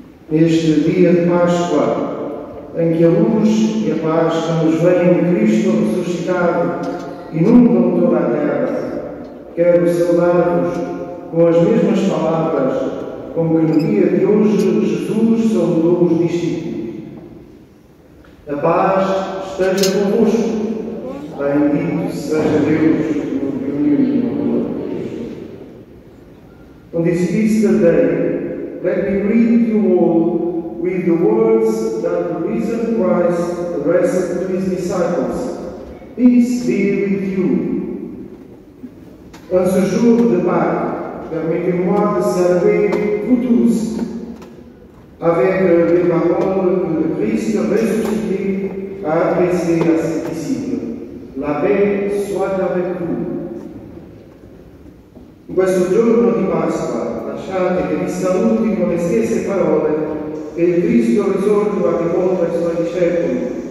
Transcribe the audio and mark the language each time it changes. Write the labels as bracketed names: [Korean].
[Portuguese] Este dia de Páscoa, em que a luz e a paz que nos vêm de Cristo ressuscitado inundam toda a terra, quero saudar-vos com as mesmas palavras com que no dia de hoje Jesus saudou os discípulos. A paz esteja convosco. Bendito seja Deus, no meu amor de Cristo. [English] On this Easter day, let me greet you all with the words that the risen Christ addressed to his disciples. Peace be with you. [French] En ce jour de Pâques, permettez-moi de saluer vous tous avec les paroles que le Christ ressuscité a adressées à ses disciples. La paix soit avec vous. [Italian] In questo giorno di Pasqua, lasciate che vi saluti con le stesse parole che il Cristo risorto ha rivolto ai suoi discepoli.